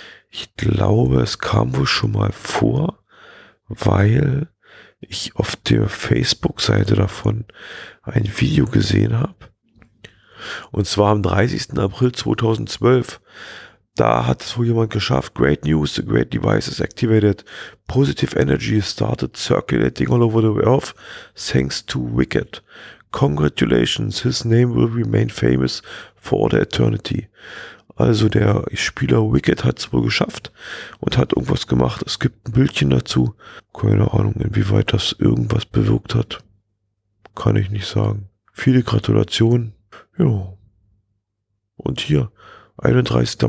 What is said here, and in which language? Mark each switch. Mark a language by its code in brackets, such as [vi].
[de] Ich glaube, es kam wohl schon mal vor, weil ich auf der Facebook-Seite davon ein Video gesehen habe. Und zwar am 30. April 2012. Da hat es wohl jemand geschafft. [en] Great news, the great device is activated. Positive energy started circulating all over the earth thanks to Wicket. Congratulations, his name will remain famous for all the eternity. [de] Also der Spieler Wicket hat es wohl geschafft und hat irgendwas gemacht. Es gibt ein Bildchen dazu. Keine Ahnung, inwieweit das irgendwas bewirkt hat. Kann ich nicht sagen. Viele Gratulationen. Jo. Und hier, 31.